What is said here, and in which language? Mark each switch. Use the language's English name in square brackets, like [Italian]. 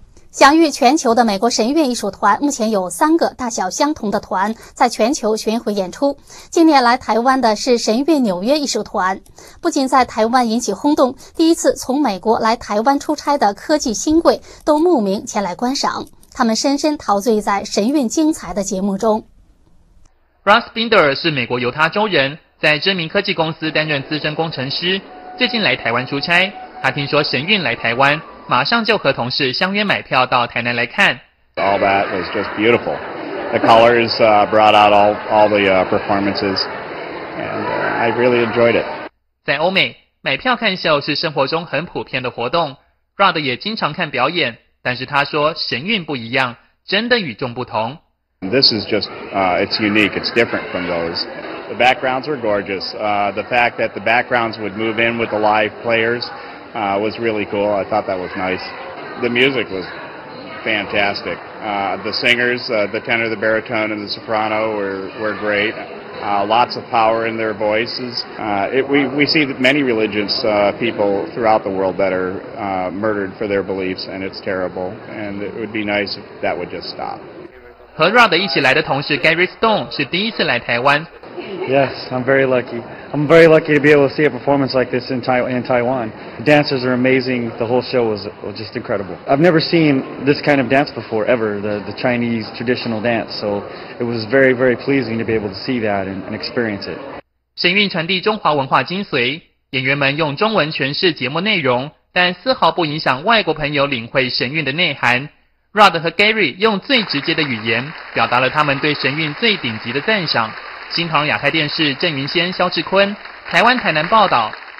[Chinese] 享誉全球的美国神韵艺术团目前有三个大小相同的团在全球巡回演出，近年来台湾的是神韵纽约艺术团，不仅在台湾引起轰动，第一次从美国来台湾出差的科技新贵都慕名前来观赏，他们深深陶醉在神韵精彩的节目中。 Russ Binder 是美国犹他州人，在知名科技公司担任资深工程师，最近来台湾出差，他听说神韵来台湾，马上就和同事相约买票到台南来看。 [English] All that was just beautiful. The colors brought out all the performances, and I really enjoyed it. [Chinese] 在欧美，买票看秀是生活中很普遍的活动。 Rod 也经常看表演，但是他说神韵不一样，真的与众不同。 [English] This is just it's unique. It's different from those. The backgrounds were gorgeous. The fact that the backgrounds would move in with the live players. Was really cool. I thought that was nice. The music was fantastic. The singers, the tenor, the baritone, and the soprano were great. Lots of power in their voices. We see that many religious people throughout the world that are murdered for their beliefs, and it's terrible. And it would be nice if that would just stop. [Chinese] 和 Rod 一起来的同事 Gary Stone 是第一次来台湾。 [English] Yes, I'm very lucky. I'm very lucky to be able to see a performance like this in Taiwan. The dancers are amazing. The whole show was just incredible. I've never seen this kind of dance before, ever, the Chinese traditional dance. So it was very, very pleasing to be able to see that and experience it. [Chinese] 神韵传递中华文化精髓，演员们用中文诠释节目内容，但丝毫不影响外国朋友领会神韵的内涵。 Rod 和 Gary 用最直接的语言表达了他们对神韵最顶级的赞赏。新唐亚太电视郑云仙、萧志坤，台湾台南报道。